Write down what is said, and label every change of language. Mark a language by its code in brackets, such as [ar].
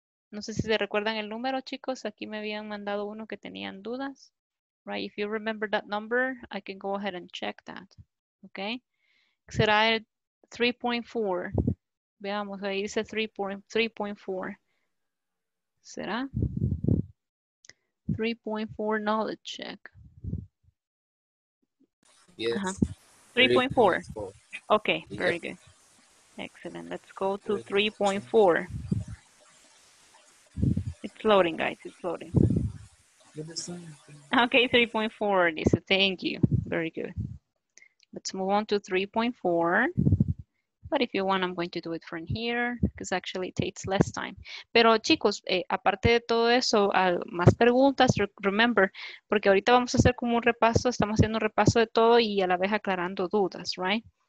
[es] No sé si se recuerdan el número, chicos. Aquí me habían mandado uno que tenían dudas. [en] Right, if you remember that number, I can go ahead and check that. [es] Okay. Será el 3.4. Veamos, ahí dice 3.4. Será 3.4 knowledge check. [en] Yes. Uh-huh. 3.4. Okay, very good. Excellent. Let's go to 3.4. It's loading, guys. It's loading. Okay, 3.4. Lisa. Thank you. Very good. Let's move on to 3.4. But if you want, I'm going to do it from here because actually it takes less time. [es] Pero chicos, aparte de todo eso, más preguntas, remember, porque ahorita vamos a hacer como un repaso, estamos haciendo un repaso de todo y a la vez aclarando dudas, [en] right?